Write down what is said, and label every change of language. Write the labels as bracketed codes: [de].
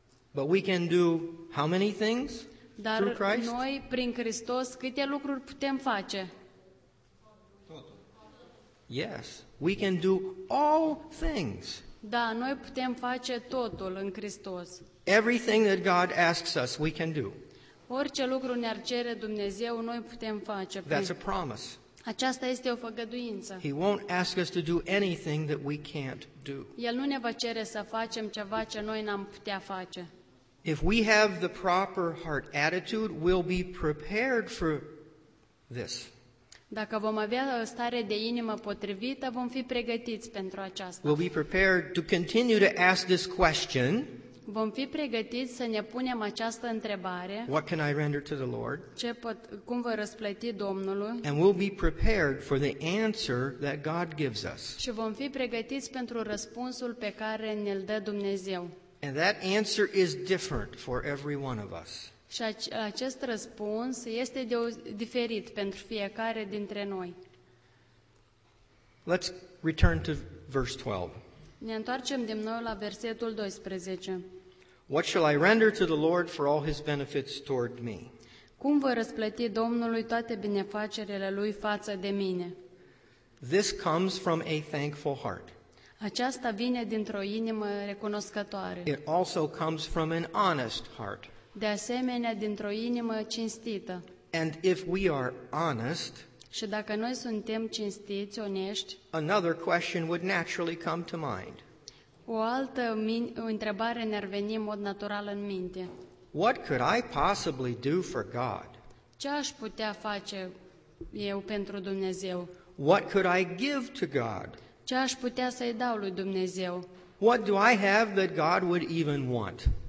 [en] But we can do how many things? [ro] Dar noi, prin Hristos, câte lucruri putem face? [en] Yes, we can do all things. [ro] Da, noi putem face totul în Hristos. [en] Everything that God asks us, we can do. [ro] Orice lucru ne-ar cere Dumnezeu, noi putem face. [en] That's a promise. [ro] Aceasta este o făgăduință. [en] He won't ask us to do anything that we can't do. [ro] El nu ne va cere să facem ceva ce noi n-am putea face. [en] If we have the proper heart attitude, we'll be prepared for this. [ro] Dacă vom avea o stare de inimă potrivită, vom fi pregătiți pentru aceasta. [en] We'll be prepared to continue to ask this question. [ro] Vom fi pregătiți să ne punem această întrebare. [en] What can I render to the Lord? [ro] Cum voi răsplăti Domnului? [en] And we'll be prepared for the answer that God gives us. [ro] Și vom fi pregătiți pentru răspunsul pe care ne-l dă Dumnezeu. [en] And that answer is different for every one of us. [ro] Și acest răspuns este diferit pentru fiecare dintre noi. [en] Let's return to verse 12. [ro] Ne întoarcem din nou la versetul 12. [en] What shall I render to the Lord for all his benefits toward me? [ro] Cum voi răsplăti Domnului toate binefacerile lui față de mine? [en] This comes from a thankful heart. [ro] Aceasta vine dintr-o inimă recunoscătoare. [en] It also comes from an honest heart. [ro] De asemenea, dintr-o inimă cinstită. [en] And if we are honest, [ro] și dacă noi suntem cinstiți, onești, [en] another question would naturally come to mind. [ro] O altă întrebare ne-ar veni în mod natural în minte. [en] What could I possibly do for God? [ro] Ce aș putea face eu pentru Dumnezeu? [en] What could I give to God? [ro] Ce aș putea să-i dau lui Dumnezeu? [en] What do I have that God would even want?